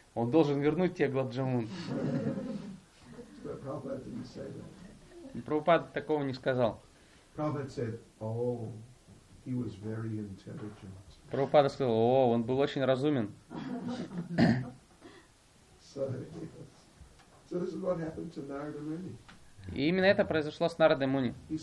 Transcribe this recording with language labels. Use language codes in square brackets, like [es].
[ru] Он должен вернуть тебе гулаб джамун. [en] But Prabhupada didn't say that. [ru] Прабхупада такого не сказал. [en] Prabhupada said, oh, he was very intelligent. [ru] Прабхупада сказал, о, он был очень разумен. [en] So, yes. So this is what happened to Narada Muni. [ru] И именно это произошло с Нарадой Муни.